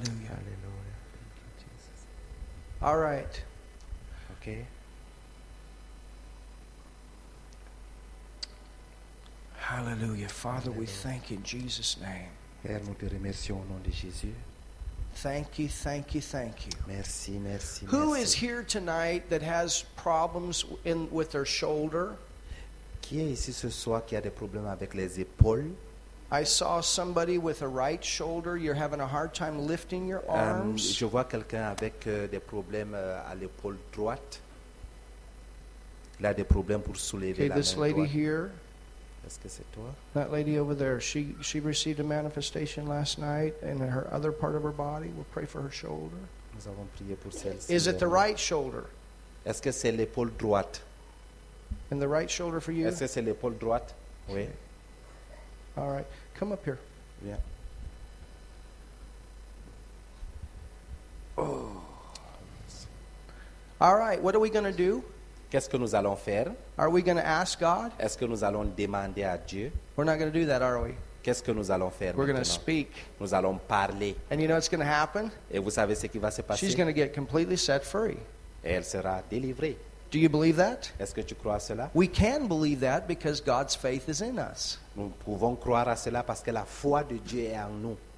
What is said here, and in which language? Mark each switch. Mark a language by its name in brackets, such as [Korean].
[English] Hallelujah. Thank you, Jesus. All right. Okay. Hallelujah. Father, Hallelujah. We thank you in Jesus' name. [French] Père, nous te remercions au nom de Jésus. [English] Thank you, thank you, thank you. [French] Merci, merci. [English] Who [French] merci. [English] Is here tonight that has problems in with their shoulder? [French] Qui est ici ce soir qui a des problèmes avec les épaules? [English] I saw somebody with a right shoulder. You're having a hard time lifting your arms. [French] Je vois quelqu'un avec des problèmes à l'épaule droite. Il a des problèmes pour soulever [English] okay, [French] la main [English] droite. Okay, this lady here. [French] Est-ce que c'est toi? [English] That lady over there. She received a manifestation last night in her other part of her body. We'll pray for her shoulder. [French] Nous avons prié pour celle-ci. [English] Is it the right shoulder? [French] Est-ce que c'est l'épaule droite? [English] And the right shoulder for you? [French] Est-ce que c'est l'épaule droite? Oui. [English] All right. Come up here. [French] Viens. Oh. [English] All right. What are we going to do? [French] Qu'est-ce que nous allons faire? [English] Are we going to ask God? [French] Est-ce que nous allons demander à Dieu? [English] We're not going to do that, are we? [French] Qu'est-ce que nous allons faire [English] We're [French] maintenant? [English] Going to speak. [French] Nous allons parler. [English] And you know what's going to happen? [French] Et vous savez ce qui va se passer? [English] She's going to get completely set free. [French] Et elle sera délivrée. [English] Do you believe that? [French] Est-ce que tu crois à cela? [English] We can believe that because God's faith is in us. [French] Nous pouvons croire à cela parce que la foi de Dieu est en nous.